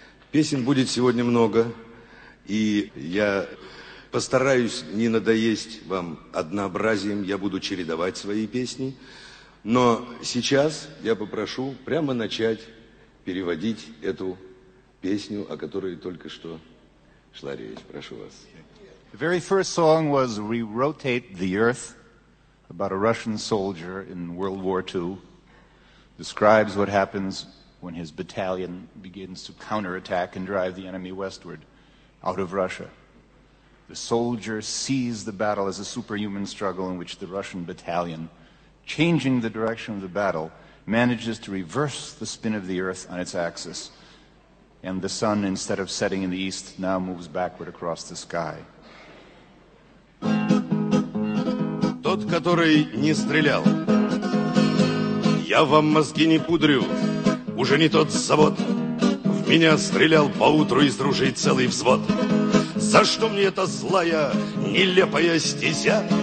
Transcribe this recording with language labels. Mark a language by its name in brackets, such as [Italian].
[Russian] Песен будет сегодня много. И я постараюсь не надоесть вам однообразием, я буду чередовать свои песни. Но сейчас я попрошу прямо начать переводить эту песню, о которой только что шла речь. Прошу вас. [English] The very first song was We Rotate the Earth, about a Russian soldier in World War II. Describes what happens when his battalion begins to counterattack and drive the enemy westward. Out of Russia. The soldier sees the battle as a superhuman struggle in which the Russian battalion, changing the direction of the battle, manages to reverse the spin of the earth on its axis. And the sun, instead of setting in the east, now moves backward across the sky. [Russian] Тот, который не стрелял, я вам мозги не пудрю, уже не тот завод. Меня стрелял поутру из ружей целый взвод. За что мне эта злая, нелепая стезя?